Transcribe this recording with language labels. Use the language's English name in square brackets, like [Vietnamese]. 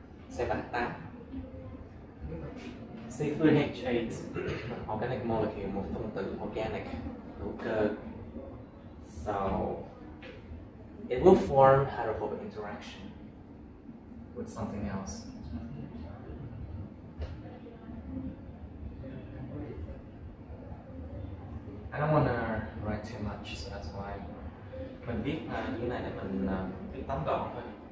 [Vietnamese] C3H8, organic molecule, một phân tử organic, hữu cơ. [English] So it will form hydrophobic interaction with something else. I don't want to write too much, so that's why. [Vietnamese] Mình viết như này để mình viết tóm gọn thôi.